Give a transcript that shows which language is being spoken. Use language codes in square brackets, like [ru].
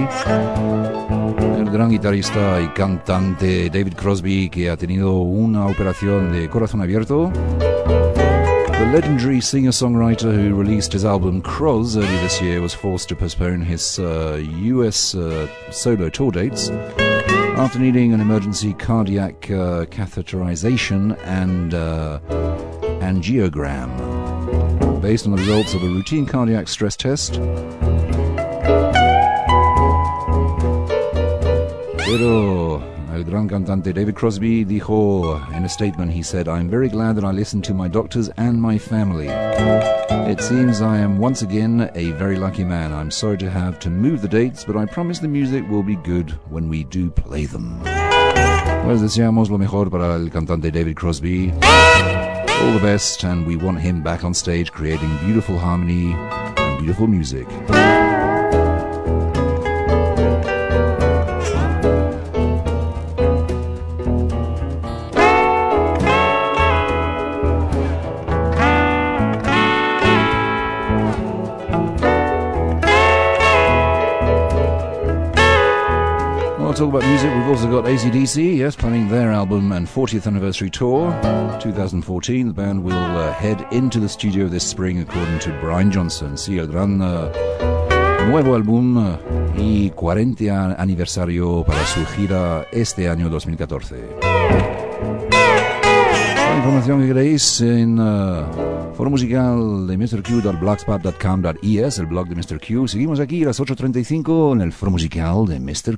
[es] El gran guitarrista y cantante David Crosby, que ha tenido una operación de corazón abierto. [en] The legendary singer-songwriter who released his album Cross early this year was forced to postpone his US solo tour dates after needing an emergency cardiac catheterization and angiogram. Based on the results of a routine cardiac stress test. [es] Pero el gran cantante David Crosby dijo [en] in a statement, he said, "I'm very glad that I listened to my doctors and my family. It seems I am once again a very lucky man. I'm sorry to have to move the dates, but I promise the music will be good when we do play them." [es] Pues deseamos lo mejor para el cantante David Crosby. [en] All the best, and we want him back on stage creating beautiful harmony and beautiful music. Talk about music, we've also got AC/DC, yes, planning their album and 40th anniversary tour 2014. The band will head into the studio this spring, according to Brian Johnson. [es] Sí, el gran nuevo álbum y 40 aniversario para su gira este año 2014. La información que queréis en foro musical de Mr. Q, blogspot.com.es, el blog de Mr. Q. Seguimos aquí a las 8:35 en el foro musical de Mr.